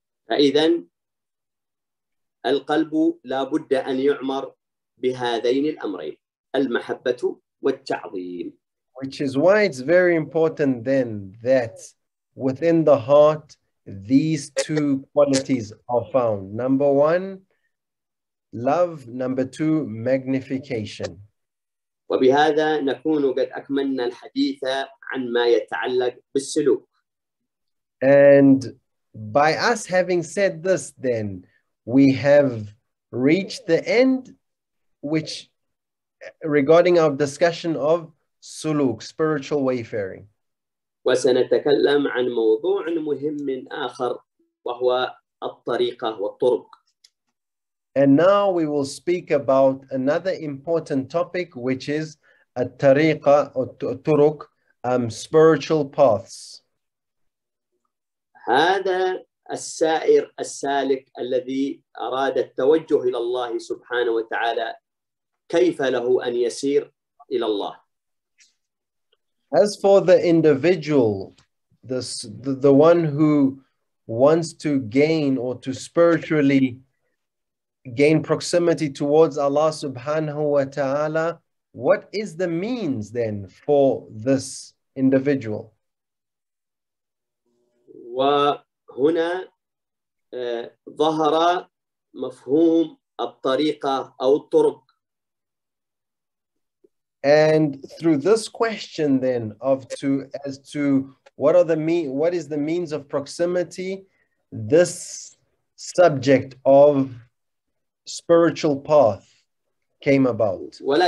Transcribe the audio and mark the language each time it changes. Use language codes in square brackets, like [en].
[ar] فإذن القلب لابد أن يعمر بهذين الأمرين المحبة والتعظيم. [en] Which is why it's very important then that within the heart these two qualities are found. Number one, love. Number two, magnification. [ar] وبهذا نكون قد أكملنا الحديث عن ما يتعلق بالسلوك. [en] And by us having said this, then we have reached the end, which regarding our discussion of suluk, spiritual wayfaring. [ar] وسنتكلم عن موضوع مهم آخر وهو الطريقة والطرق. [en] And now we will speak about another important topic, which is [ar] الطريقة والطرق, [en] spiritual paths. [ar] هذا السائر السالك الذي أراد التوجه إلى الله سبحانه وتعالى كيف له أن يسير إلى الله. [en] As for the individual, the one who wants to gain or to spiritually gain proximity towards Allah subhanahu wa ta'ala, what is the means then for this individual? [ar] وهنا ظهر مفهوم الطريقة أو الطرق. [en] And through this question then of to as to what are the mean, what is the means of proximity, this subject of spiritual path came about.